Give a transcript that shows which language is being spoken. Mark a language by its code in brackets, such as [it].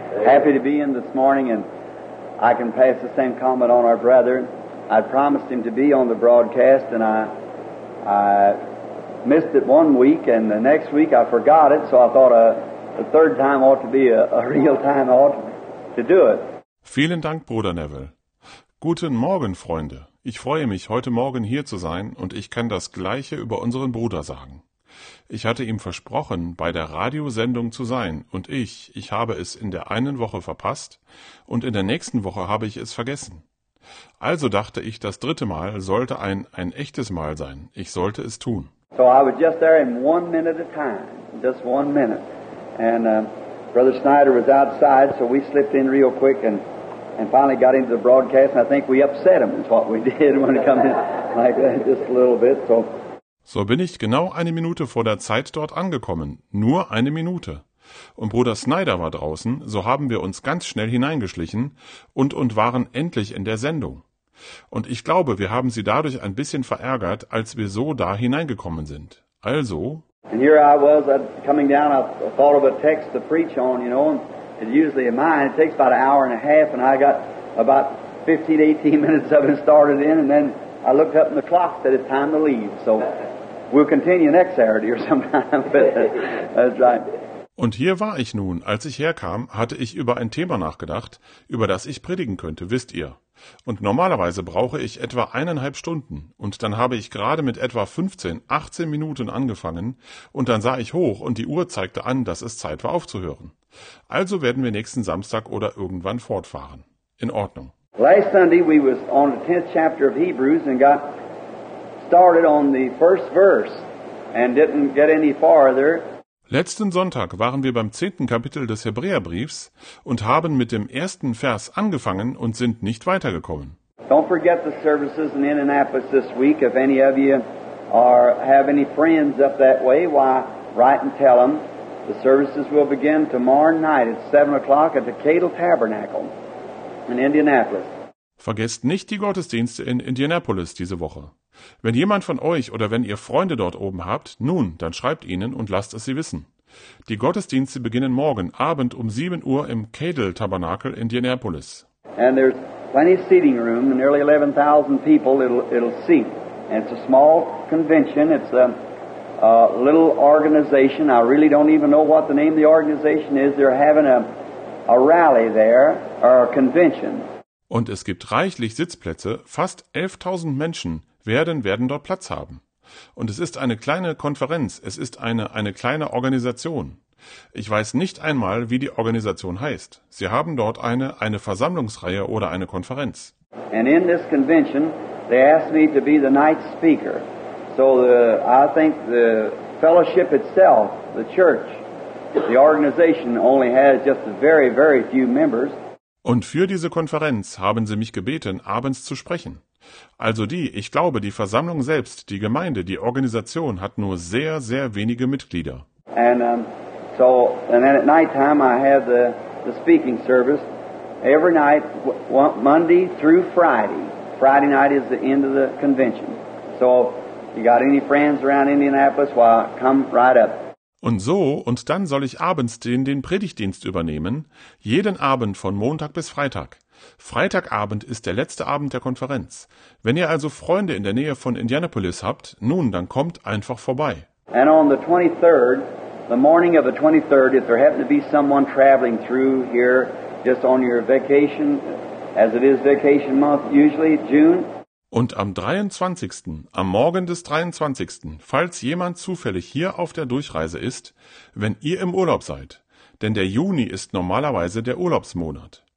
[en] Happy to be in this morning, and I can pass the same comment on our brother. I promised him to be on the broadcast, and I missed it 1 week, and the next week I forgot it, so I thought a third time ought to be a real time ought to do it. [de] Vielen Dank, Bruder Neville. Guten Morgen, Freunde. Ich freue mich, heute Morgen hier zu sein, und ich kann das Gleiche über unseren Bruder sagen. Ich hatte ihm versprochen, bei der Radiosendung zu sein, und ich habe es in der einen Woche verpasst, und in der nächsten Woche habe ich es vergessen. Also dachte ich, das dritte Mal sollte ein echtes Mal sein. Ich sollte es tun. [en] So I was just there in 1 minute at a time, just 1 minute. And Brother Snyder was outside, so we slipped in real quick and finally got into the broadcast, and I think we upset him is what we did when he come in like that, just a little bit, so... [de] So bin ich genau eine Minute vor der Zeit dort angekommen. Nur eine Minute. Und Bruder Snyder war draußen, so haben wir uns ganz schnell hineingeschlichen und waren endlich in der Sendung. Und ich glaube, wir haben sie dadurch ein bisschen verärgert, als wir so da hineingekommen sind. Also... [en] And here I was, coming down, I thought of a text to preach on, you know, and it's usually in mine. It takes about an hour and a half, and I got about 15, 18 minutes of it started in, and then I looked up in the clock that it's time to leave, so... We'll continue next Saturday or sometime. That's right. [de] Und hier war ich nun. Als ich herkam, hatte ich über ein Thema nachgedacht, über das ich predigen könnte, wisst ihr. Und normalerweise brauche ich etwa 1,5 Stunden. Und dann habe ich gerade mit etwa 15, 18 Minuten angefangen. Und dann sah ich hoch und die Uhr zeigte an, dass es Zeit war aufzuhören. Also werden wir nächsten Samstag oder irgendwann fortfahren. In Ordnung. [en] Last Sunday we was on the 10th chapter of Hebrews and got... started on the first verse and didn't get any farther. [de] Letzten Sonntag waren wir beim 10. Kapitel des Hebräerbriefs und haben mit dem ersten Vers angefangen und sind nicht weitergekommen. [en] Don't forget the services in Indianapolis this week. If any of you are have any friends up that way, why write and tell them. The services will begin tomorrow night at 7 o'clock at the Cadle Tabernacle in Indianapolis. [de] Vergesst nicht die Gottesdienste in Indianapolis diese Woche. Wenn jemand von euch oder wenn ihr Freunde dort oben habt, nun, dann schreibt ihnen und lasst es sie wissen. Die Gottesdienste beginnen morgen Abend um 7 Uhr im Cadle Tabernacle in Indianapolis. [en] And there's plenty of seating room, nearly 11,000 people it'll seat. And it's a small convention, it's a little organization. I really don't even know what the name of the organization is. They're having a rally there, or a convention. [de] Und es gibt reichlich Sitzplätze, fast 11.000 Menschen werden dort Platz haben. Und es ist eine kleine Konferenz, es ist eine kleine Organisation. Ich weiß nicht einmal, wie die Organisation heißt. Sie haben dort eine Versammlungsreihe oder eine Konferenz. [en] And in this convention, they asked me to be the night speaker. So I think the fellowship itself, the church, the organization only has just very, very few members. [de] Und für diese Konferenz haben sie mich gebeten, abends zu sprechen. Also ich glaube, die Versammlung selbst, die Gemeinde, die Organisation hat nur sehr, sehr wenige Mitglieder. [en] And then at night time I have the speaking service. Every night, Monday through Friday. Friday night is the end of the convention. So if you got any friends around Indianapolis, well, come right up. [de] Und dann soll ich abends den Predigtdienst übernehmen, jeden Abend von Montag bis Freitag. Freitagabend ist der letzte Abend der Konferenz. Wenn ihr also Freunde in der Nähe von Indianapolis habt, nun, dann kommt einfach vorbei. [en] And on the 23rd, the morning of the 23rd, if there happened to be someone traveling through here just on your vacation, as it is vacation month usually, June, [de] und am 23., am Morgen des 23., falls jemand zufällig hier auf der Durchreise ist, wenn ihr im Urlaub seid, denn der Juni ist normalerweise der Urlaubsmonat.